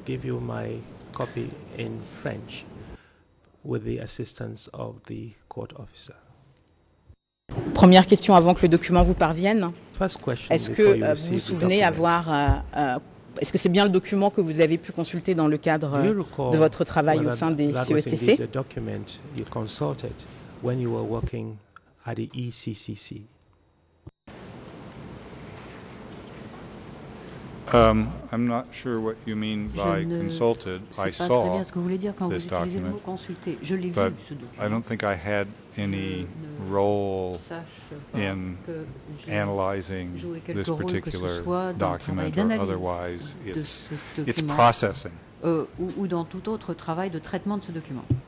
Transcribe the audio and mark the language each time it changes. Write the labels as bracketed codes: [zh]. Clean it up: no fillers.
[en] Lhuissier. With the assistance of the court officer. [fr] Première question avant que le document vous parvienne. Est-ce que vous vous souvenez avoir... est-ce que c'est bien le document que vous avez pu consulter dans le cadre de votre travail au sein des CETC? [en] The document you consulted when you were working at the ECCC. I'm not sure what you mean by consulted. I saw this document, but I don't think I had any role in analyzing this particular document or otherwise its processing. [fr] Ou dans tout autre travail de traitement de ce document.